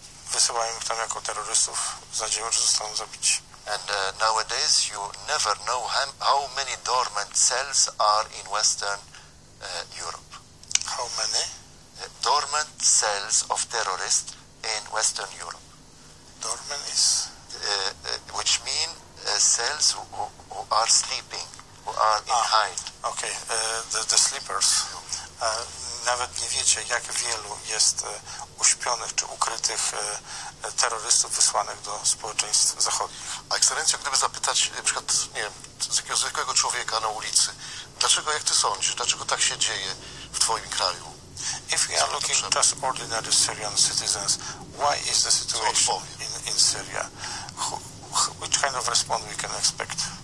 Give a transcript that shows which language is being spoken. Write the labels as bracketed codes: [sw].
[pl] Wysyłają ich tam jako terrorystów z nadzieją, że zostaną zabici. [en] And nowadays you never know how many dormant cells are in Western Europe. How many? Dormant cells of terrorists in Western Europe. Dormant is? Which mean cells who are sleeping, who are in hide. Okay, the sleepers. [pl] Nawet nie wiecie, jak wielu jest uśpionych czy ukrytych terrorystów wysłanych do społeczeństw zachodnich. A ekscelencjo, gdyby zapytać na przykład, nie wiem, z jakiego zwykłego człowieka na ulicy, dlaczego, jak ty sądzisz, dlaczego tak się dzieje w twoim kraju? [en] If we are looking just ordinary Syrian citizens, why is the situation in Syria? Which kind of response we can expect?